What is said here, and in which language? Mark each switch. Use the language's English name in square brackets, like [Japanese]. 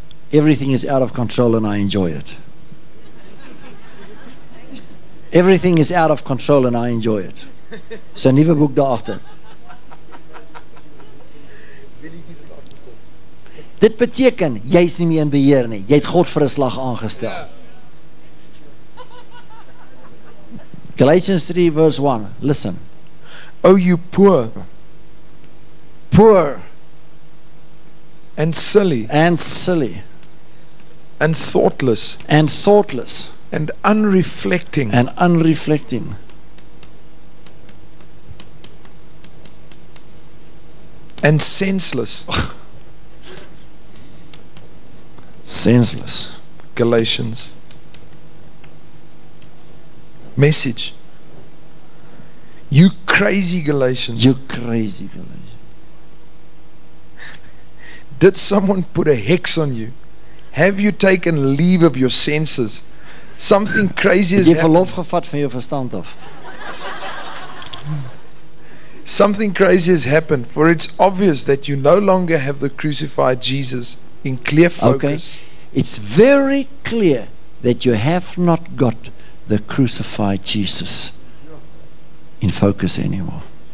[English] Everything is out of control and I enjoy it. Everything is out of control and I enjoy it. [Afrikaans] So 'n nuwe boek daar agter. Dit beteken, jy is nie meer in beheer nie. Jy het God vir 'n slag aangestel. [English] Galatians 3 verse 1. Listen. O you poor. Poor. And silly. And silly. And thoughtless. And thoughtless. And unreflecting. And unreflecting. And senseless. Senseless. Galatians. Message. You crazy Galatians. You crazy Galatians. Did someone put a hex on you? Have you taken leave of your senses? Something crazy has happened. [Afrikaans] Jy verlof gevat van jou verstand af. [English] Something crazy has happened, for it's obvious that you no longer have the crucified Jesus in clear focus. Okay. It's very clear that you have not got the crucified Jesus in focus anymore.